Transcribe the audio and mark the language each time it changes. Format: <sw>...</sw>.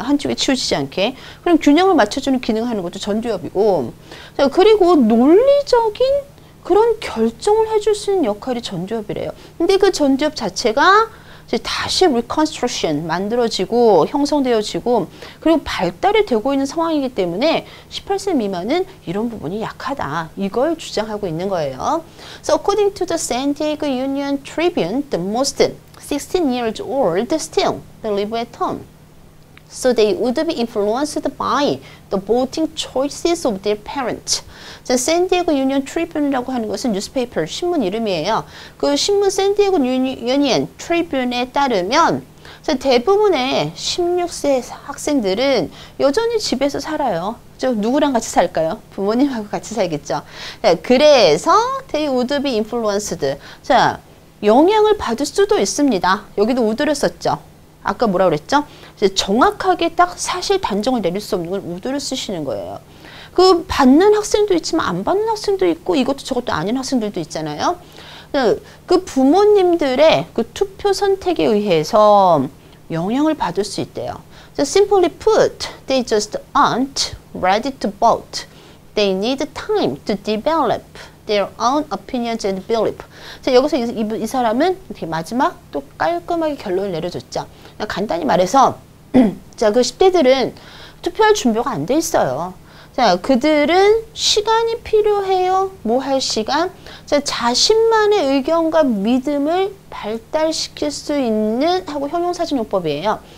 <ko>한쪽에 치우치지 않게. 그럼 균형을 맞춰주는 기능을 하는 것도 전두엽이고 자, 그리고 논리적인 그런 결정을 해줄 수 있는 역할이 전두엽이래요. 근데 그 전두엽 자체가 이제 다시 reconstruction 만들어지고 형성되어지고 그리고 발달이 되고 있는 상황이기 때문에 18세 미만은 이런 부분이 약하다. 이걸 주장하고 있는 거예요.</ko> <en>So according to the San Diego Union Tribune, the most 16 years old still they live at home. So they would be influenced by the voting choices of their parents.</en> <ko>자, San Diego Union Tribune이라고 하는 것은 newspaper, 신문 이름이에요. 그 신문 San Diego Union Tribune에 따르면 대부분의 16세 학생들은 여전히 집에서 살아요. 저 누구랑 같이 살까요? 부모님하고 같이 살겠죠. 자, 그래서</ko> <en>they would be influenced.</en> <ko>자, 영향을 받을 수도 있습니다. 여기도 would를 썼죠. 아까 뭐라고 그랬죠? 이제 정확하게 딱 사실 단정을 내릴 수 없는 걸 would를 쓰시는 거예요. 그 받는 학생도 있지만 안 받는 학생도 있고 이것도 저것도 아닌 학생들도 있잖아요. 그 부모님들의 그 투표 선택에 의해서 영향을 받을 수 있대요.</ko> <en>So simply put, they just aren't ready to vote. They need time to develop their own opinions and beliefs.</en> <ko>So 여기서 이 사람은 이렇게 마지막 또 깔끔하게 결론을 내려줬죠. 그냥 간단히 말해서 자, 그 10대들은 투표할 준비가 안 돼 있어요. 자, 그들은 시간이 필요해요. 뭐 할 시간? 자, 자신만의 의견과 믿음을 발달시킬 수 있는 하고 형용사진 용법이에요.</ko>